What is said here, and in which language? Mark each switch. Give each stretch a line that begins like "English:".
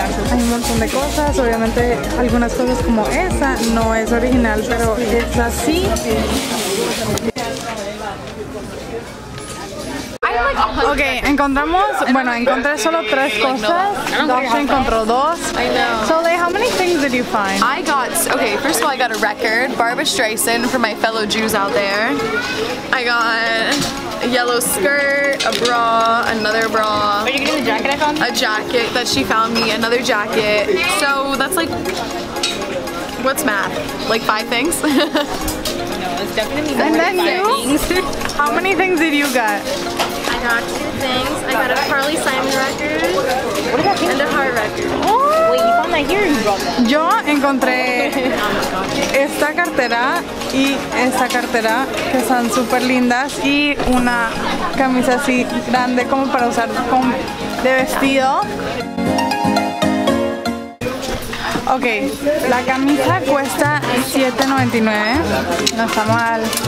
Spanish: Hay un montón de cosas. Obviamente, algunas cosas como esa no es original, pero es así. Ok, encontramos, bueno, encontré solo tres cosas. Dos encontró dos.
English: So, how many things did you find? I got, okay, first of all, I got a record, Barbara Streisand, for my fellow Jews out there. I got a yellow skirt, a bra, another bra. Are you getting the jacket I found? A jacket that she found me, another jacket. So, that's like, what's math? Like five things? No, it's definitely more than five things. How many things did you get? I got two things. I got a Carly Simon record. What about King? And the Heart Records. Oh. Wait, you found that here? You brought that.
Spanish: Yo encontré esta cartera y esta cartera que son super lindas y una camisa así grande como para usar de vestido. Ok, la camisa cuesta $7.99, no está mal.